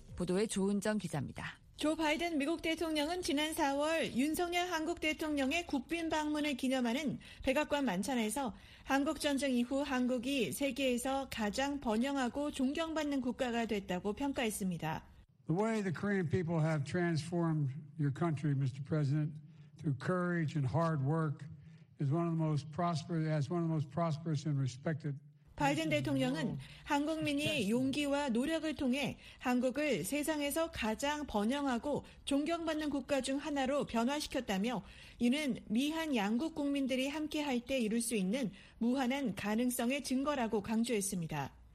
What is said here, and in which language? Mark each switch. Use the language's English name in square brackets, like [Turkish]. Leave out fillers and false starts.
[Korean] 보도에 조은정 기자입니다. 조 바이든 미국 대통령은 지난 4월 윤석열 한국 대통령의 국빈 방문을 기념하는 백악관 만찬에서 한국전쟁 이후 한국이 세계에서 가장 번영하고 존경받는 국가가 됐다고 평가했습니다. [English] The way the Korean people have transformed your country, Mr. President, through courage and hard work is one of the most prosperous, as one of the most prosperous and respected. [Korean] 바이든 대통령은 한국민이 용기와 노력을 통해 한국을 세상에서 가장 번영하고 존경받는 국가 중 하나로 변화시켰다며 이는 미한 양국 국민들이 함께할 때 이룰 수 있는 무한한 가능성의 증거라고 강조했습니다.